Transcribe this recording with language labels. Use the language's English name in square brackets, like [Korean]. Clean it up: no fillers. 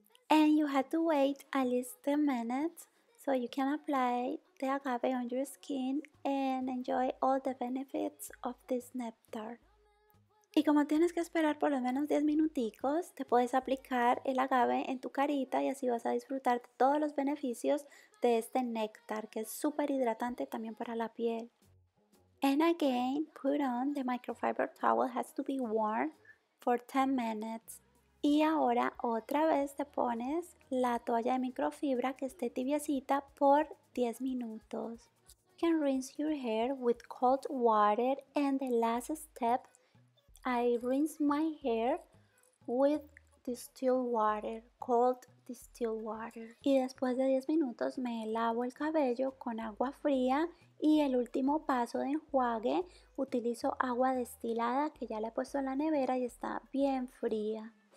[English] And you have to wait at least 10 minutes so you can apply the agave on your skin and enjoy all the benefits of this nectar. [Spanish] Y como tienes que esperar por lo menos 10 minuticos, te puedes aplicar el agave en tu carita y así vas a disfrutar de todos los beneficios de este néctar, que es súper hidratante también para la piel. [English] And again, put on the microfiber towel, has to be warm for 10 minutes. [Spanish] Y ahora otra vez te pones la toalla de microfibra que esté tibiecita por 10 minutos. [English] You can rinse your hair with cold water and the last step, I rinse my hair with distilled water, cold distilled water. [Spanish] Y después de 10 minutos me lavo el cabello con agua fría y el último paso de enjuague utilizo agua destilada que ya le he puesto en la nevera y está bien fría.